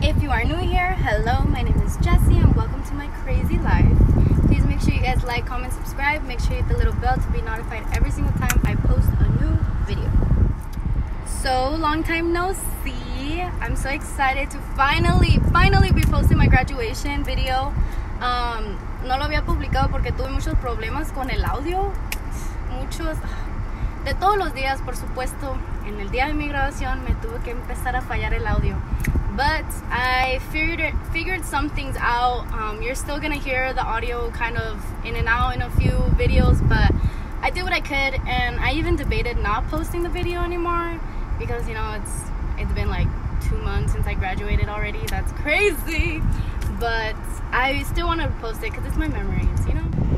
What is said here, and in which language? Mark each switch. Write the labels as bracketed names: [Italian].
[English] If you are new here, hello, my name is Jessy and welcome to my crazy life. Please make sure you guys like, comment, subscribe, make sure you hit the little bell to be notified every single time I post a new video. So long time no see. I'm so excited to finally be posting my graduation video. [Spanish] No lo había publicado porque tuve muchos problemas con el audio. Muchos de todos los días, por supuesto, en el día de mi graduación me tuve que empezar a fallar el audio. [English] But I figured some things out. You're still gonna hear the audio kind of in and out in a few videos, but I did what I could, and I even debated not posting the video anymore because, you know, it's been like 2 months since I graduated already. That's crazy. But I still want to post it because it's my memories, you know?